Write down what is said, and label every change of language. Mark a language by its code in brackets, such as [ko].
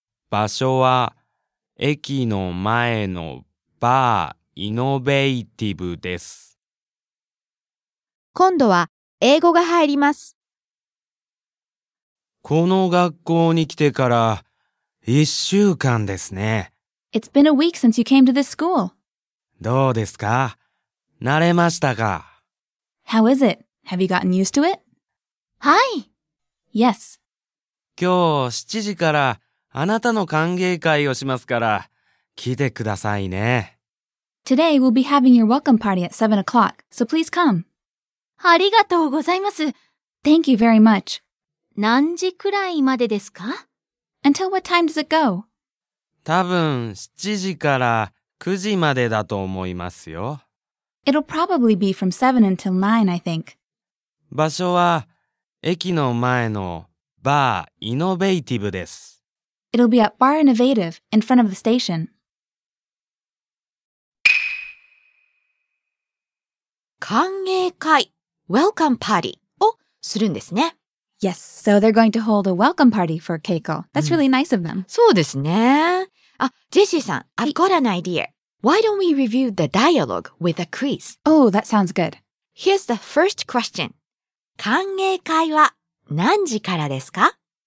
[ja] 場所は駅の前のバーイノベイティブです。今度は英語が入ります。この学校に来てから1週間ですね。 [en] It's been a week since you came to this school. [ja] どうですか？慣れましたか？ [en] How is it? Have you gotten used to it? [ja] はい。 [en] Yes. [ja] 今日7時からあなたの歓迎会をしますから、来てくださいね。 [en] Today we'll be having your welcome party at 7 o'clock, so please come. [ja] ありがとうございます。 [en] Thank you very much. [ja] 何時くらいまでですか？ [en] Until what time does it go? [ja] 多分7時から9時までだと思いますよ。 [en] It'll probably be from 7 until 9, I think. [ja] 場所は駅の前のバーイノベイティブです。 [en] It'll be at Bar Innovative in front of the station. [ja] 歓迎会、Welcome Party をするんですね。 [en] Yes, so they're going to hold a welcome party for Keiko. That's really nice of them. [ja] そうですね。あ、ジェシーさん、 [en] I've got an idea. Why don't we review the dialogue with a quiz? Oh, that sounds good. Here's the first question. [ja] 歓迎会は何時からですか？